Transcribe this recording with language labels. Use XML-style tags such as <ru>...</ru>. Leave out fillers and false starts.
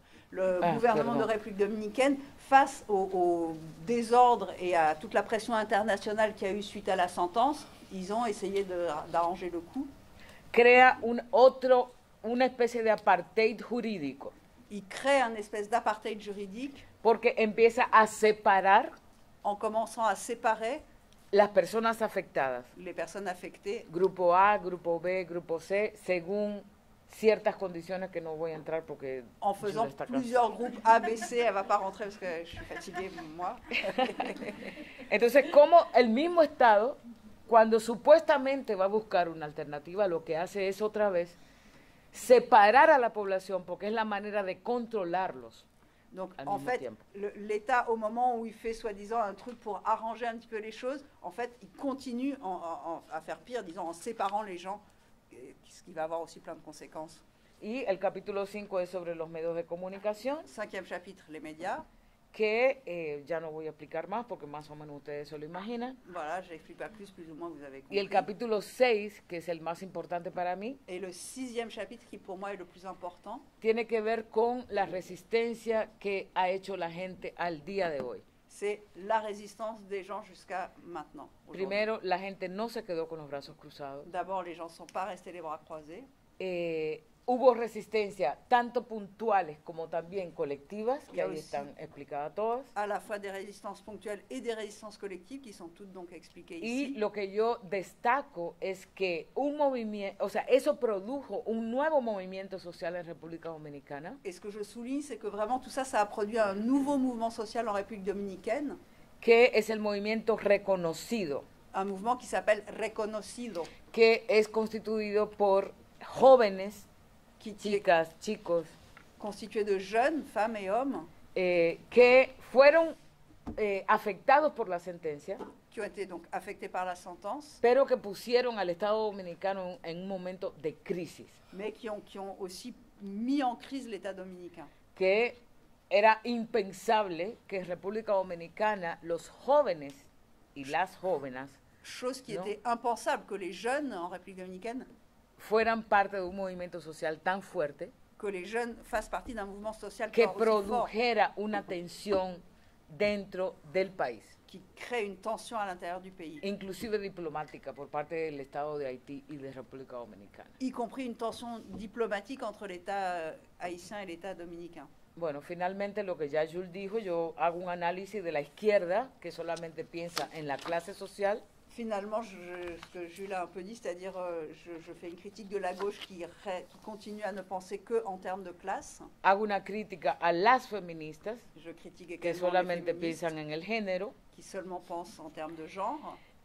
<fr>Le gouvernement de République dominicaine, face au désordre et à toute la pression internationale qu'il y a eu suite à la sentence, ils ont essayé d'arranger le coup.</fr> <es>Crea un otro, una especie de apartheid jurídico.</es> <fr>Il crée un espèce d'apartheid juridique.</fr> <es>Porque empieza a separar.</es> <fr>En commençant à séparer.</fr> <es>Las personas afectadas.</es> <fr>Les personnes affectées.</fr> <es>Grupo A, grupo B, grupo C, según ciertas condiciones que no voy a entrar porque</es> <fr>en faisant plusieurs groupes A, B, C, elle va pas rentrer parce que je suis fatiguée moi.</fr> <es>Entonces, como el mismo Estado cuando supuestamente va a buscar una alternativa, lo que hace es otra vez separar a la población, porque es la manera de controlarlos.</es> <fr>Donc, en fait, l'État, au moment où il fait soi-disant un truc pour arranger un petit peu les choses, en fait, il continue à faire pire, disons, en séparant les gens, ce qui va avoir aussi plein de conséquences.</fr> <es>Y el capítulo 5 es sobre los medios de comunicación.</es> <fr>Cinquième chapitre, les médias.</fr> <es>Que ya no voy a explicar más, porque más o menos ustedes se lo imaginan.</es> <fr>Voilà, je n'explique pas plus ou moins, vous avez compris.</fr> <es>Y el capítulo 6, que es el más importante para mí.</es> <fr>Et le sixième chapitre, qui pour moi est le plus important.</fr> <es>Tiene que ver con la resistencia que ha hecho la gente al día de hoy.</es> <fr>C'est la résistance des gens jusqu'à maintenant. Aujourd'hui.</fr> <es>Primero, la gente no se quedó con los brazos cruzados.</es> <fr>D'abord, les gens ne sont pas restés les bras croisés.</fr> <es>Hubo resistencia, tanto puntuales como también colectivas, que ahí están explicadas todas.</es> <fr>A la fois des résistances ponctuelles et des résistances collectives, qui sont toutes donc expliquées ici.</fr> <es>Y lo que yo destaco es que un movimiento, o sea, eso produjo un nuevo movimiento social en República Dominicana.</es> <fr>Et ce que je souligne, c'est que vraiment tout ça, ça a produit un nouveau mouvement social en République Dominicaine.</fr> <es>Que es el movimiento reconocido.</es> <fr>Un mouvement qui s'appelle Reconocido.</fr> <es>Que es constituido por jóvenes. Chicas, chicos,</es> <fr>constitués de jeunes, femmes et hommes,</fr> <es>que fueron afectados por la sentencia,</es> <fr>qui ont été donc affectés par la sentence,</fr> <es>pero que pusieron al Estado Dominicano en un momento de crisis,</es> <fr>mais qui ont aussi mis en crise l'État dominicain,</fr> <es>que era impensable que en República Dominicana los jóvenes y las jóvenes,</es> <fr>chose qui était impensable que les jeunes en République Dominicaine</fr> <es>fueran parte de un movimiento social tan fuerte</es> <fr>que les jeunes fassent partie d'un mouvement social</fr> <es>que produjera una tensión dentro del país,</es> <fr>qui crée une tension à l'intérieur du pays,</fr> <es>inclusive diplomática por parte del Estado de Haití y de República Dominicana,</es> <fr>y compris une tension diplomatique entre l'État haïtien et l'État dominicain.</fr> <es>Bueno, finalmente lo que ya Jules dijo, yo hago un análisis de la izquierda que solamente piensa en la clase social.</es> <fr>Finalement, ce que Jules a un peu dit, c'est-à-dire je fais une critique de la gauche qui continue à ne penser qu'en termes de classe.</fr> <es>Hago una crítica a las feministas,</es> <fr>je critique</fr> <es>également que solamente</es> <fr>les féministes</fr> <es>piensan en el género,</es> <fr>qui seulement pensent en termes de genre.</fr>